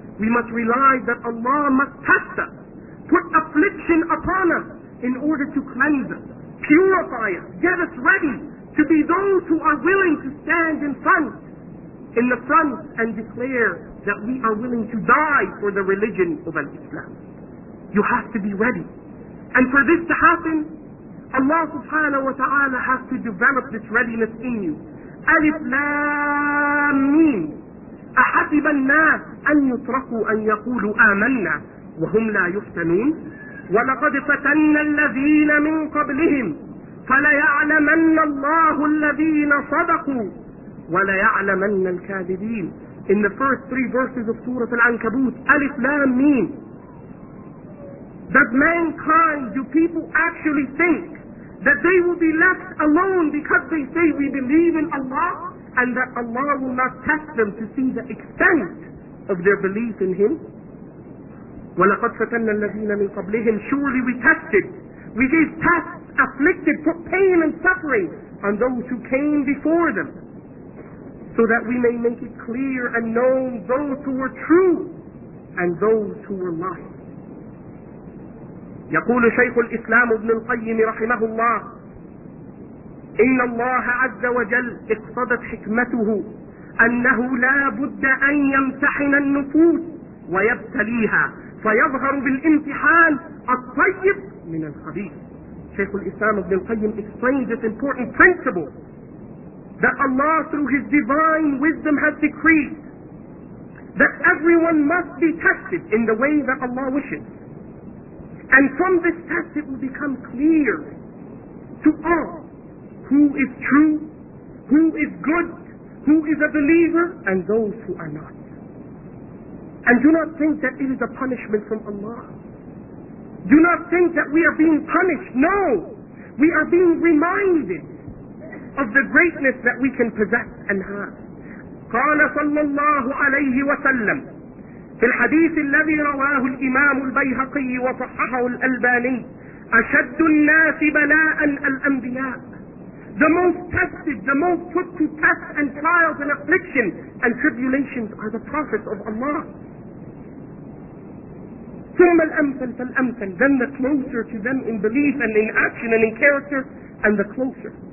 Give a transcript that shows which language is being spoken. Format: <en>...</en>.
<en>We must realize that Allah must test us, put affliction upon us in order to cleanse us, purify us, get us ready to be those who are willing to stand in front and declare that we are willing to die for the religion of Islam. You have to be ready. And for this to happen, Allah subhanahu wa ta'ala has to develop this readiness in you.</en> <ar>Alif Lam Mim. أحسب الناس أن يتركوا أن يقولوا آمنا وهم لا يفتنون ولقد فتنا الذين من قبلهم فليعلمن الله الذين صدقوا وليعلمن الكاذبين.</ar> <en>In the first three verses of Surah Al-Ankabut, Alif Lam Mim. That mankind, do people actually think that they will be left alone because they say we believe in Allah? And that Allah will not test them to see the extent of their belief in Him.</en> <ar>وَلَقَدْ فَتَنَّ الَّذِينَ مِنْ قَبْلِهِمْ.</ar> <en>Surely we tested, we gave tests, afflicted, put pain and suffering on those who came before them, so that we may make it clear and known those who were true and those who were lying.</en> <ar>يقول شيخ الإسلام ابن القيم رحمه الله إن الله عز وجل اقتضت حكمته أنه لا بد أن يمتحن النفوس ويبتليها فيظهر بالامتحان الطيب من الخبيث.</ar> <en>شيخ الإسلام ابن القيم explained this important principle that Allah through His divine wisdom has decreed that everyone must be tested in the way that Allah wishes. And from this test it will become clear to all who is true, who is good, who is a believer, and those who are not. And do not think that it is a punishment from Allah. Do not think that we are being punished. No! We are being reminded of the greatness that we can possess and have.</en> <ar>قال صلى الله عليه وسلم في الحديث الذي رواه الإمام البيهقي وصححه الألباني أشد الناس بلاء الأنبياء.</ar> <en>The most tested, the most put to test and trials and affliction and tribulations are the prophets of Allah.</en> <ar>ثم الأمثل فالأمثل.</ar> <en>Then the closer to them in belief and in action and in character, and the closer.</en>